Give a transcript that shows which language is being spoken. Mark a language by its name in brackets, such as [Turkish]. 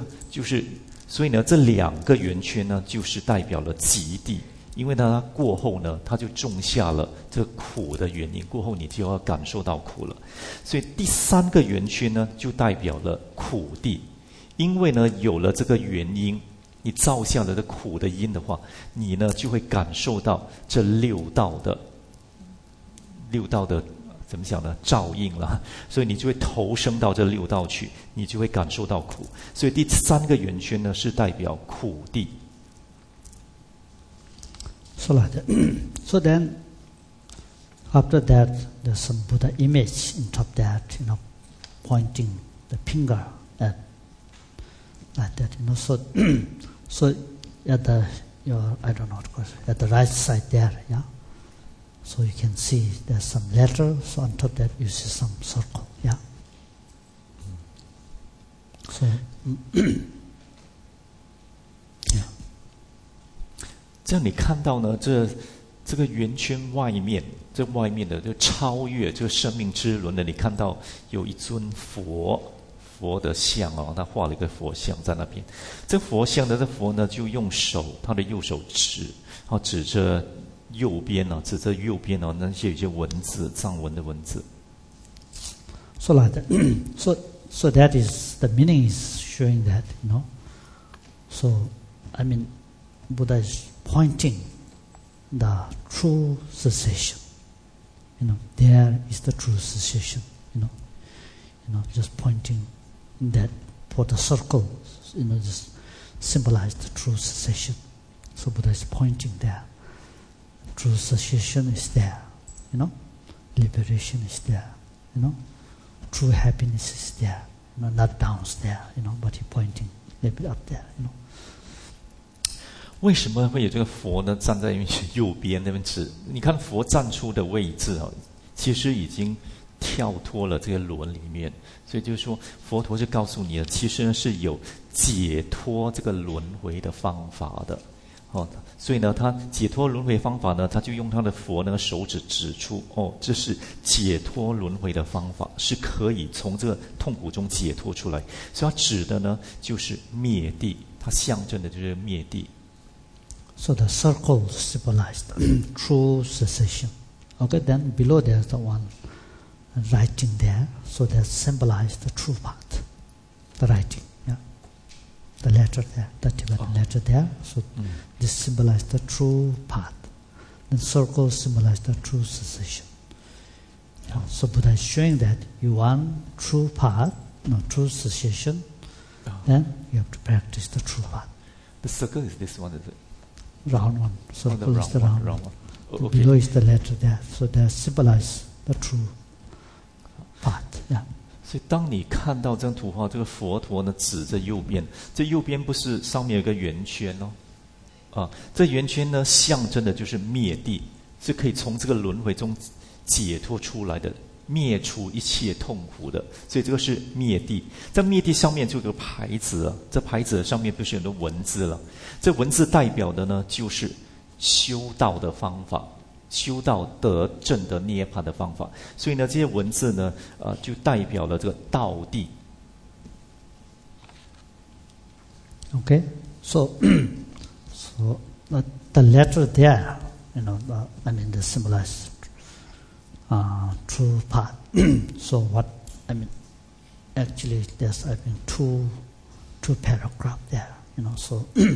[Chinese] 就是所以呢这两个圆圈呢就是代表了极地，因为呢他过后呢他就种下了这苦的原因，过后你就要感受到苦了，所以第三个圆圈呢就代表了苦地，因为呢有了这个原因，你造下了这苦的因的话，你呢就会感受到这六道的怎么讲呢，照应了，所以你就会投生到这六道去，你就会感受到苦。所以第三个圆圈呢是代表苦地。 [English] So, then, after that, there's some Buddha image on top of that, you know, pointing the finger at like that, you know. So at the, your, I don't know, of course, at the right side there, yeah. So you can see there's some letter, so on top of that you see some circle, yeah. So, yeah. [Chinese] 这样你看到呢，这个圆圈外面，这外面的就超越这个生命之轮的，你看到有一尊佛的像哦，他画了一个佛像在那边。这佛像的这佛呢，就用手，他的右手指，然后指着右边呢、啊，指着右边呢、啊，那些有些文字，藏文的文字。 [English] So like that, so that is the meaning is showing that, you know. So, I mean, Buddha is. Pointing the true cessation, you know, there is the true cessation, you know, just pointing that for the circle, you know, just symbolize the true cessation. So Buddha is pointing there. True cessation is there, you know, liberation is there, you know, true happiness is there, you know, not downstairs, you know, but he's pointing a little bit up there, you know. [Chinese] 为什么会有这个佛呢？站在右边那边指，你看佛站出的位置啊，其实已经跳脱了这个轮里面，所以就是说，佛陀是告诉你的，其实是有解脱这个轮回的方法的，哦，所以呢，他解脱轮回方法呢，他就用他的佛那个手指指出，哦，这是解脱轮回的方法，是可以从这个痛苦中解脱出来，所以他指的呢就是灭谛，他象征的就是灭谛。 [English] So the circle symbolized true cessation. Okay, then below there's the one writing there. So that symbolized the true path, the writing, yeah. The letter there, the Tibetan letter there. So this symbolized the true path. The circle symbolized the true cessation. Yeah. So Buddha is showing that you want true path, no, true cessation, then you have to practice the true path. The circle is this one, is it? Round one, so below is the round one. Okay. Below is the letter there, so that symbolize the true path. Yeah. [Chinese] 所以当你看到这张图画，这个佛陀呢指着右边，这右边不是上面有个圆圈哦？啊，这圆圈呢象征的就是灭谛，是可以从这个轮回中解脱出来的，灭除一切痛苦的。所以这个是灭谛。在灭谛上面就有个牌子、啊，这牌子上面不是有很多文字了？这文字代表的呢，就是修道的方法，修道得证的涅槃的方法。所以呢，这些文字呢，就代表了这个道地。 [English] Okay, so the letter there, you know, I mean, the symbolize, true path. So what I mean, actually, there's I mean two paragraph there, you know, so.